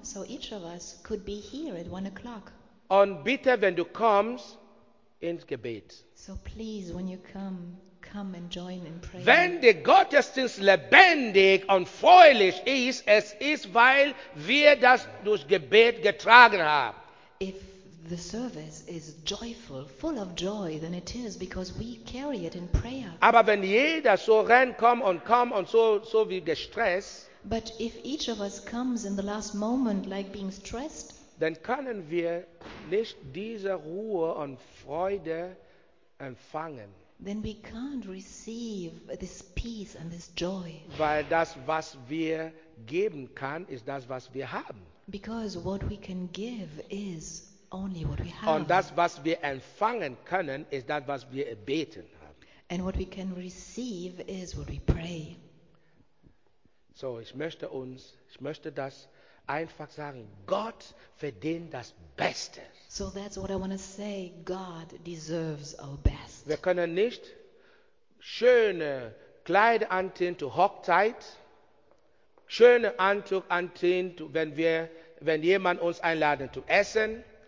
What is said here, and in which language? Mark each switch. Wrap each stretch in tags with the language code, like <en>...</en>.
<en>So each of us could be here at 1 o'clock.</en> <de>Und bitte, wenn du kommst, ins Gebet.</de> <en>So please, when you come, come and join in prayer.</en> <de>Wenn der Gottesdienst lebendig und fröhlich ist, es ist, weil wir das durch Gebet getragen haben.</de> <en>If the service is joyful, full of joy, then it is because we carry it in prayer.</en> <de>Aber wenn jeder so rennt, komm und so wie gestresst,</de> <en>but if each of us comes in the last moment like being stressed,</en> <de>dann können wir nicht diese Ruhe und Freude empfangen.</de> <en>Then we can't receive this peace and this joy.</en> <de>Weil das, was wir geben kann, ist das, was wir haben.</de> <en>Because what we can give is only what we have.</en> <de>Und das, was wir empfangen können, ist das, was wir beten haben.</de> <en>And what we can receive is what we pray.</en> <de>So, ich möchte das einfach sagen, Gott verdient das Beste.</de> <en>So that's what I want to say. God deserves our best.</en> <de>Wir können nicht schöne Kleider anziehen zu Hochzeit, schöne Anzug anziehen, wenn jemand uns einladen zu essen,</de>